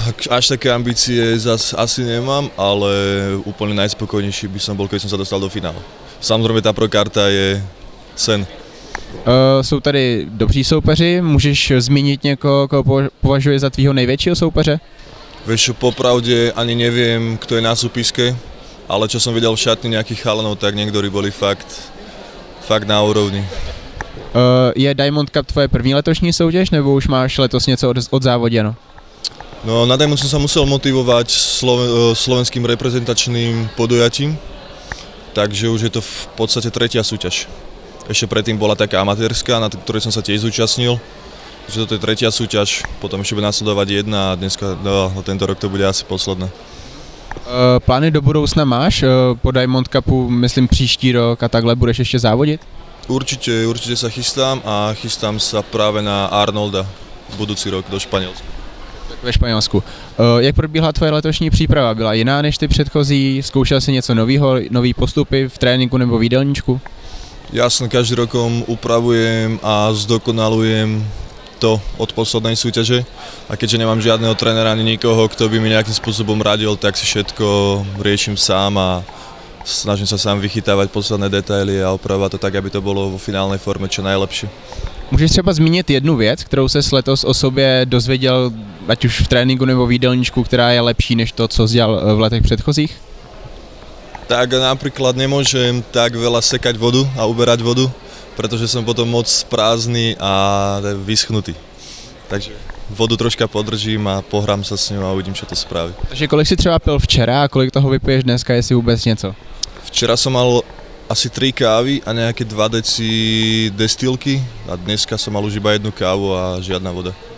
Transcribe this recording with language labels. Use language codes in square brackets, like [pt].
[sk] Až také ambície zas asi nemám, ale úplně nejspokojnější by som bol, keby som sa dostal do finálu. [cs] Samozřejmě ta profikarta je sen. Jsou tady dobří soupeři, můžeš zmínit někoho, koho považuje za tvýho největšího soupeře? Víš, popravdě ani nevím, kdo je na soupisku. [sk] Ale čo som videl v šatni nejakých chalanov, tak niektorí boli fakt na úrovni. [cs] Je Diamond Cup tvoje první letošní soutěž, nebo už máš letos něco od závoděno? [sk] No, na Diamond som sa musel motivovať slovenským reprezentačným podujatím, takže už je to v podstate tretia súťaž. Ešte predtým bola taká amatérska, na ktorej som sa tiež zúčastnil, takže toto je tretia súťaž, potom ešte bude nasledovať jedna a dneska, no, tento rok to bude asi posledná. [cs] Plány do budoucna máš po Diamond Cupu, myslím příští rok a takhle, budeš ještě závodit? Určitě, určitě se chystám a chystám se právě na Arnolda v budoucí rok do Španělska. Ve Španělsku. Jak probíhala tvoje letošní příprava? Byla jiná než ty předchozí? Zkoušel jsi něco nového, nový postupy v tréninku nebo v jídelníčku? [sk] Jasně, každý rokom upravujem a zdokonalujem to od poslednej súťaže a keďže nemám žiadného trénera ani nikoho, kto by mi nejakým spôsobom radil, tak si všetko riešim sám a snažím sa sám vychytávať posledné detaily a opravovať to tak, aby to bolo vo finálnej forme čo najlepšie. [cs] Môžeš třeba zmínit jednu vec, ktorou ses letos o sobě dozvedel, ať už v tréningu nebo v jídelníčku, ktorá je lepší než to, co zdial v letech predchozích? [sk] Tak napríklad nemôžem tak veľa sekať vodu a uberať vodu, [cs] protože jsem potom moc prázdný a vyschnutý. Takže vodu troška podržím a pohrám se s ním a uvidím, co to spraví. Takže kolik jsi třeba pil včera a kolik toho vypiješ dneska, jestli vůbec něco? Včera jsem mal asi 3 kávy a nějaké 2 deci destilky a dneska jsem mal už iba jednu kávu a žádná voda.